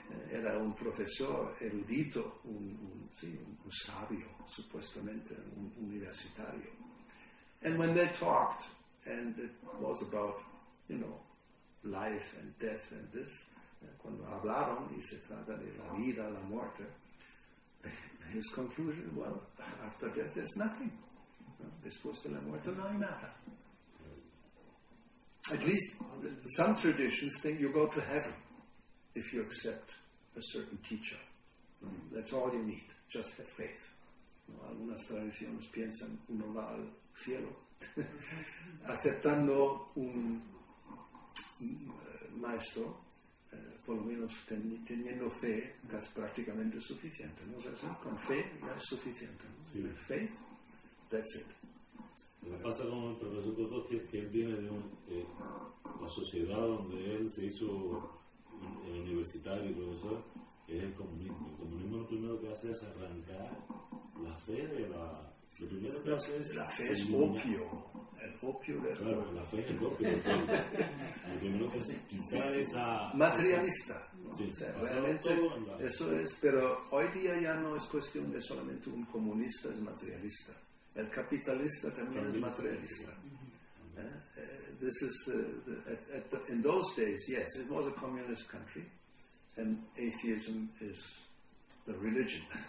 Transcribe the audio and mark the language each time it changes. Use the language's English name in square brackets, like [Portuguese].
[Spanish] Era un profesor erudito, un sabio, supuestamente un universitario. [English] And when they talked, and it was about, you know, life and death and this, [Spanish] cuando hablaron y se trata de la vida, la muerte, [English] his conclusion, well, after death there's nothing. [Spanish] Después de la muerte no hay nada. [English] At least some traditions think you go to heaven if you accept a certain teacher. That's all you need. Just have faith. [Spanish] Algunas tradiciones piensan uno va al cielo aceptando un maestro, por lo menos teniendo fe, es prácticamente suficiente. ¿No es así? Con fe ya es suficiente. Sí. [English] Faith, that's it. [Spanish] Lo que pasa con el profesor Kotowski es que él viene de la sociedad donde él se hizo universitario y profesor, es el comunismo. El comunismo lo primero que hace es arrancar la fe de la. Lo primero que hace es. La fe es opio. El opio de la. Claro, la fe es el opio del pueblo. Lo primero que hace es quitar esa. Materialista. Sí, o sea, realmente. Eso es, pero hoy día ya no es cuestión de solamente un comunista es materialista. El capitalista también es materialista. [English] This is the in those days, yes, it was a communist country, and atheism is the religion.